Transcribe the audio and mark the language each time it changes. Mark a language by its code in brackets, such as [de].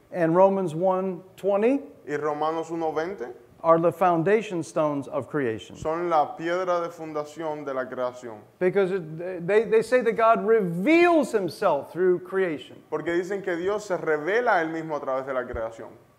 [en] and Romans 1:20, [es] y Romanos 1:20, [en] are the foundation stones of creation. [es] Son la piedra de fundación de la creación. [en] Because they say that God reveals himself through creation. [es] Porque dicen que Dios se revela él mismo a través de la creación.